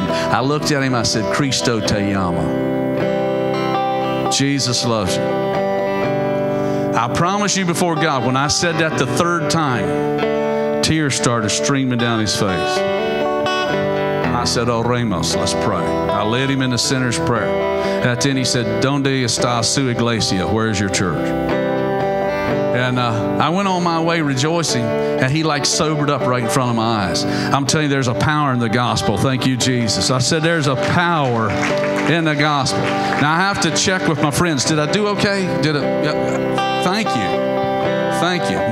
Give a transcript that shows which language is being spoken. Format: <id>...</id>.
<en>I looked at him. I said,</en> <es>Cristo te llama.</es> <en>Jesus loves you. I promise you before God, when I said that the third time, tears started streaming down his face. I said, oremos, let's pray. I led him in the sinner's prayer. And then he said,</en> <es>¿Dónde está su iglesia?</es> <en>Where is your church? And I went on my way rejoicing, and he like sobered up right in front of my eyes. I'm telling you, there's a power in the gospel. Thank you, Jesus. I said, there's a power in the gospel. Now, I have to check with my friends. Did I do okay? Did it? Yep. Thank you. Thank you.</en>